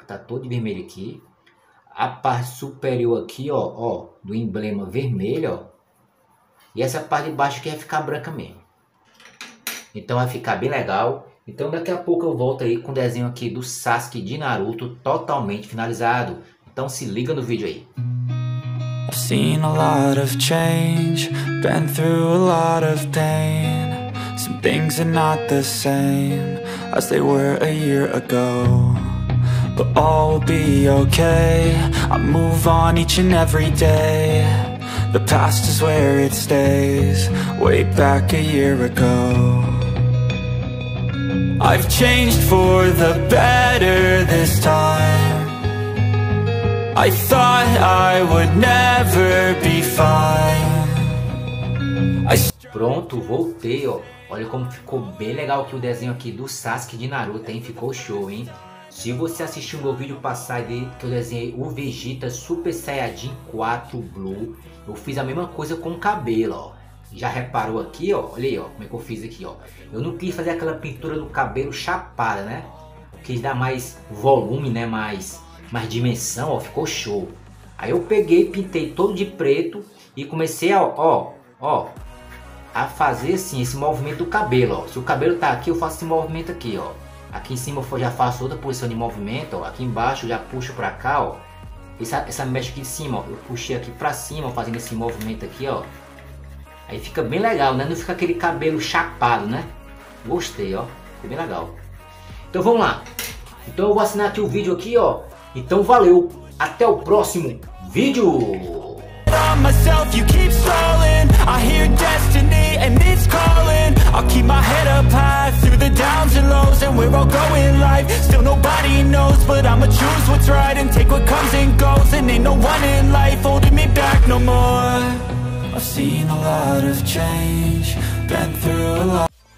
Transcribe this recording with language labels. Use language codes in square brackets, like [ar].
[pt] Tá todo de vermelho aqui. A parte superior aqui, ó, ó, do emblema vermelho, ó. E essa parte de baixo aqui vai ficar branca mesmo. Então vai ficar bem legal. Então daqui a pouco eu volto aí com o desenho aqui do Sasuke de Naruto totalmente finalizado. Então se liga no vídeo aí. [en] I've seen a lot of change, been through a lot of pain. Some things are not the same as they were a year ago. But all will be okay, I move on each and every day. The past is where it stays, way back a year ago. I've changed for the better this time. I thought I would never be fine. [pt] Pronto, voltei, ó. Olha como ficou bem legal aqui o desenho aqui do Sasuke de Naruto, hein? Ficou show, hein? Se você assistiu o meu vídeo passado aí, que eu desenhei o Vegeta Super Saiyajin 4 Blue, eu fiz a mesma coisa com o cabelo, ó. Já reparou aqui, ó? Olha aí, ó, como é que eu fiz aqui, ó. Eu não quis fazer aquela pintura do cabelo chapada, né? Quis dar mais volume, né? Mais dimensão, ó. Ficou show. Aí eu peguei, pintei todo de preto e comecei a fazer assim, esse movimento do cabelo, ó. Se o cabelo tá aqui, eu faço esse movimento aqui, ó. Aqui em cima eu já faço outra posição de movimento, ó. Aqui embaixo eu já puxo pra cá, ó. Essa mecha aqui em cima, ó. Eu puxei aqui pra cima, fazendo esse movimento aqui, ó. Aí fica bem legal, né? Não fica aquele cabelo chapado, né? Gostei, ó. Ficou bem legal. Então vamos lá. Então eu vou assinar aqui o vídeo aqui, ó. Então valeu. Até o próximo vídeo. [en] Myself, you keep stalling. I hear destiny and it's calling. I'll keep my head up high through the downs and lows, and we're all going life. Still nobody knows, but I'ma choose what's right and take what comes and goes. And ain't no one in life holding me back no more. I've seen a lot of change, been through a lot.